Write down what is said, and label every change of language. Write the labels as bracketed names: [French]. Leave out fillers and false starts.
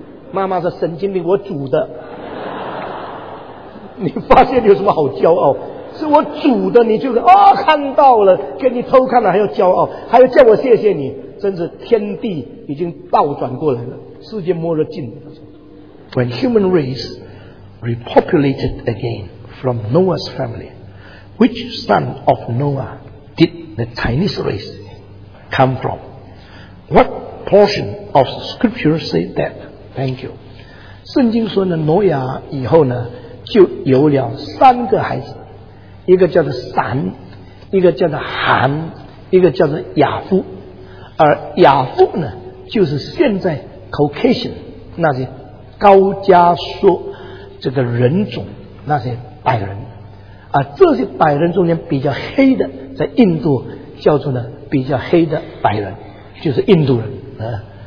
[Chinese] 妈妈说神经病，我煮的。你发现有什么好骄傲？是我煮的，你就是哦，看到了，给你偷看了还要骄傲，还要叫我谢谢你，真是天地已经倒转过来了，世界末日近了。 [English] When human race repopulated again from Noah's family, which son of Noah did the Chinese race come from? What portion of scripture say that? Thank you. [Chinese] 圣经说呢，挪亚以后呢，就有了三个孩子。一个叫做闪，一个叫做韩，一个叫做雅夫，而雅夫呢，就是现在 Caucasian 那些高加索这个人种那些白人，而这些白人中间比较黑的，在印度叫做呢比较黑的白人，就是印度人啊。